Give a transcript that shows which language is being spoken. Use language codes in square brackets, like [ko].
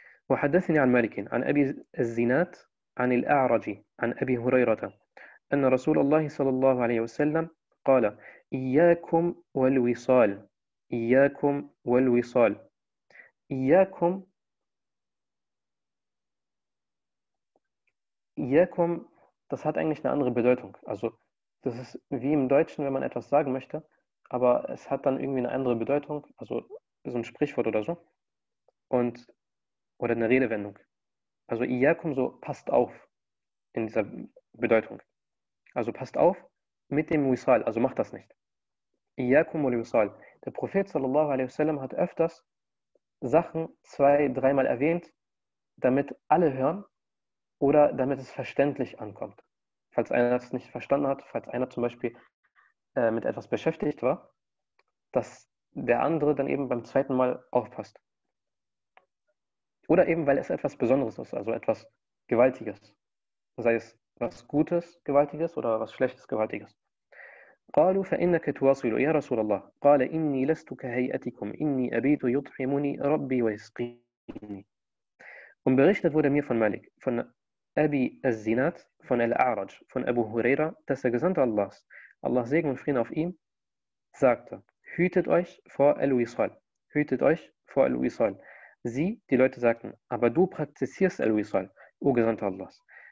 [ar] وحدثني عن مالك عن أبي الزينات عن الأعرج عن أبي هريرة أن رسول الله صلى الله عليه وسلم قال إياكم والوصال إياكم والوصال إياكم إياكم [de] Das hat eigentlich eine andere Bedeutung. Also, das ist wie im Deutschen, wenn man etwas sagen möchte, aber es hat dann irgendwie eine andere Bedeutung, also so ein Sprichwort oder so. Und oder eine Redewendung. Also Iyakum so passt auf in dieser Bedeutung. Also passt auf mit dem Wisal, also macht das nicht. Iyakum und Wisal. Der Prophet sallallahu alaihi wasallam hat öfters Sachen 2, 3 Mal erwähnt, damit alle hören oder damit es verständlich ankommt. Falls einer das nicht verstanden hat, falls einer zum Beispiel mit etwas beschäftigt war, dass der andere dann eben beim zweiten Mal aufpasst. Oder eben, weil es etwas Besonderes ist, also etwas Gewaltiges. Sei es was Gutes, Gewaltiges oder was Schlechtes, Gewaltiges. [ar] قالوا فإنك تواصل يا رسول الله قال إني لست كهيئتكم إني أبيت يطعمني ربي ويسقيني [de] Und berichtet wurde mir von Malik, von Abi Az-Zinat, von Al-A'raj, von Abu Huraira, dass der Gesandte Allahs, Allah Segen und Frieden auf ihm, sagte: Hütet euch vor Al-Wisal, hütet euch vor Al-Wisal. Sie, die Leute, sagten: Aber du praktizierst Al-Wisal, o Gesandter Allahs.